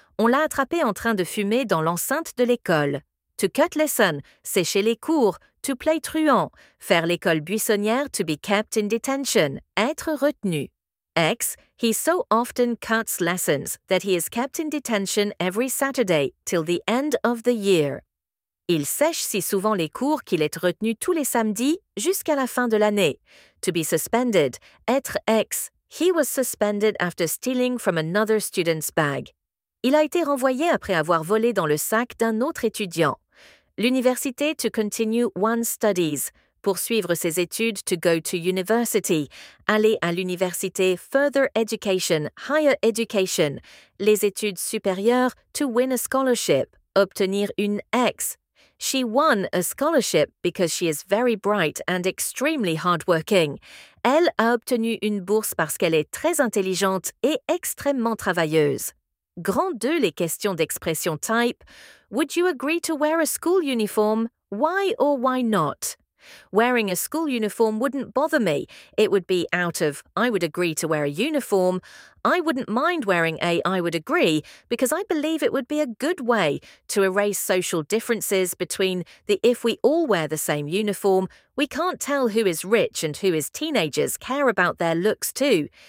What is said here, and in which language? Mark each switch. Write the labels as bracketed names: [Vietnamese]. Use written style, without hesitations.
[French] On l'a attrapée en train de fumer dans l'enceinte de l'école. [English] To cut lesson, [French] sécher les cours, [English] to play truant, [French] faire l'école buissonnière [English] to be kept in detention, [French] être retenu. [English] X, he so often cuts lessons that he is kept in detention every Saturday till the end of the year. [French] Il sèche si souvent les cours qu'il est retenu tous les samedis jusqu'à la fin de l'année. [English] To be suspended, être X, he was suspended after stealing from another student's bag. [French] Il a été renvoyé après avoir volé dans le sac d'un autre étudiant. [English] L'université to continue one's studies. [French] Poursuivre ses études [English] to go to university. [French] Aller à l'université [English] further education, higher education. [French] Les études supérieures [English] to win a scholarship. [French] Obtenir une ex. [English] She won a scholarship because she is very bright and extremely hardworking. [French] Elle a obtenu une bourse parce qu'elle est très intelligente et extrêmement travailleuse. Grand 2, les questions d'expression type. [English] Would you agree to wear a school uniform? Why or why not? Wearing a school uniform wouldn't bother me. It would be out of I would agree to wear a uniform. I wouldn't mind wearing a I would agree because I believe it would be a good way to erase social differences between the if we all wear the same uniform, we can't tell who is rich and who is teenagers care about their looks too.